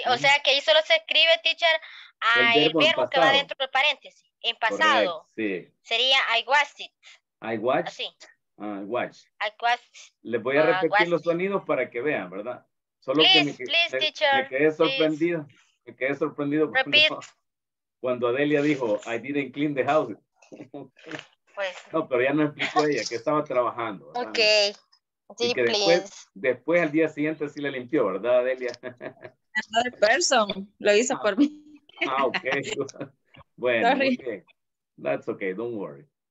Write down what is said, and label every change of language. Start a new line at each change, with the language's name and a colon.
Spanish: O sea que ahí solo se escribe, teacher, el verbo que va dentro del paréntesis. En pasado.
English: Correct, sí. Sería I watched it. I watched.
Spanish: Sí.
English: I watched. I watched.
Spanish: Les voy a repetir los sonidos para que vean, ¿verdad?
English: Solo please, teacher.
Spanish: Me quedé sorprendido. Please. Me quedé sorprendido.
English: Repeat.
Spanish: Cuando Adelia dijo,
English: I didn't clean the house.
Spanish: Pues. No, pero ya no explicó ella que estaba trabajando, ¿verdad? Ok. Sí, que después al día siguiente sí la limpió, ¿verdad, Adelia?
English: Another person
Spanish: lo hizo por mí.
English: Ah, ok. Bueno, okay. That's okay, don't worry.